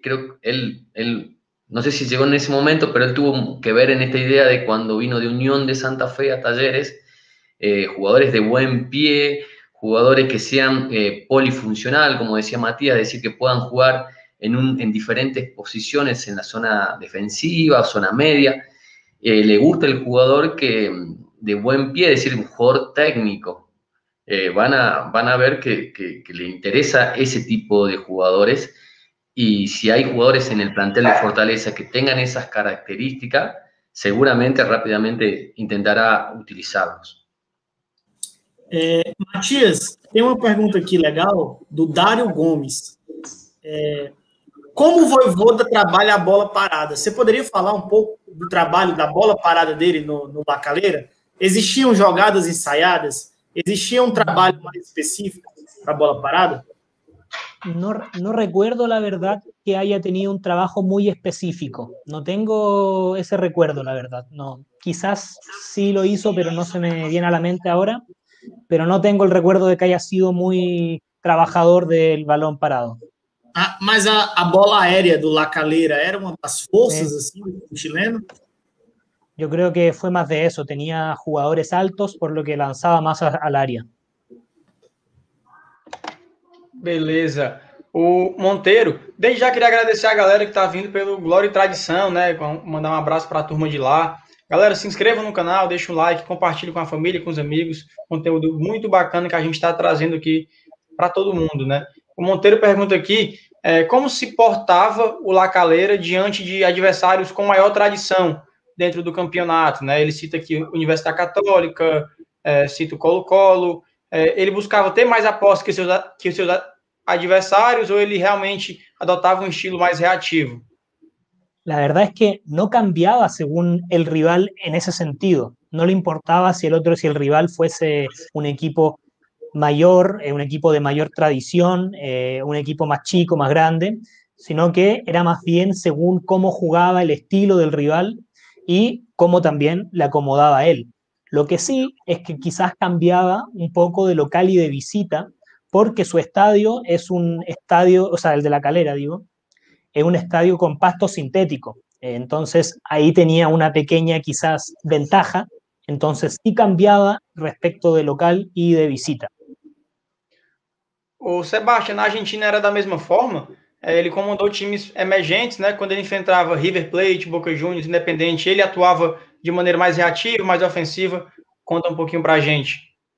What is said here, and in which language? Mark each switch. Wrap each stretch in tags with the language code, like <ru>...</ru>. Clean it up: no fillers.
<es>Creo que él, no sé si llegó en ese momento, pero él tuvo que ver en esta idea de cuando vino de Unión de Santa Fe a Talleres, jugadores de buen pie, jugadores que sean polifuncional, como decía Matías, es decir, que puedan jugar en diferentes posiciones, en la zona defensiva, zona media, le gusta el jugador que de buen pie, es decir, un jugador técnico. Van a ver que le interesa ese tipo de jugadores y si hay jugadores en el plantel de Fortaleza que tengan esas características, seguramente rápidamente intentará utilizarlos.</es> <pt>Matías, tem uma pergunta aqui legal do Dário Gomes. Como o Vojvoda trabalha a bola parada? Você poderia falar um pouco do trabalho da bola parada dele no Bacaleira? Existiam jogadas ensaiadas?</pt> <es>¿Existía un trabajo más específico para bola parada? No recuerdo, la verdad, que haya tenido un trabajo muy específico. No tengo ese recuerdo, la verdad. No, quizás sí lo hizo, pero no se me viene a la mente ahora. Pero no tengo el recuerdo de que haya sido muy trabajador del balón parado. ¿Más a bola aérea de La Calera era una de las fuerzas del chileno? Yo creo que fue más de eso. Tenía jugadores altos, por lo que lanzaba más al área.</es> <pt>Beleza. O Monteiro, desde já queria agradecer a galera que está vindo pelo Glória e Tradição, né? Mandar um abraço para a turma de lá. Galera, se inscreva no canal, deixa um like, compartilhe com a família, com os amigos. Conteúdo muito bacana que a gente está trazendo aqui para todo mundo, né? O Monteiro pergunta aqui, como se portava o La Calera diante de adversários com maior tradição dentro do campeonato, né? Ele cita aqui a Universidade Católica, cita o Colo-Colo, ele buscava ter mais aposta que os seus adversários, ou ele realmente adotava um estilo mais reativo?</pt> <es>La verdad es que no cambiaba según el rival en ese sentido. No le importaba si el rival fuese un equipo mayor, un equipo de mayor tradición, un equipo más chico, más grande, sino que era más bien según cómo jugaba el estilo del rival y cómo también le acomodaba a él. Lo que sí es que quizás cambiaba un poco de local y de visita, porque su estadio es un estadio, o sea, el de La Calera, digo, es un estadio con pasto sintético. Entonces, ahí tenía una pequeña, quizás, ventaja. Entonces, sí cambiaba respecto de local y de visita.</es> <pt>O Sebastián, na Argentina era da mesma forma. Ele comandou times emergentes, né? Quando ele enfrentava River Plate, Boca Juniors, Independente, ele atuava de maneira mais reativa, mais ofensiva. Conta um pouquinho pra gente.</pt>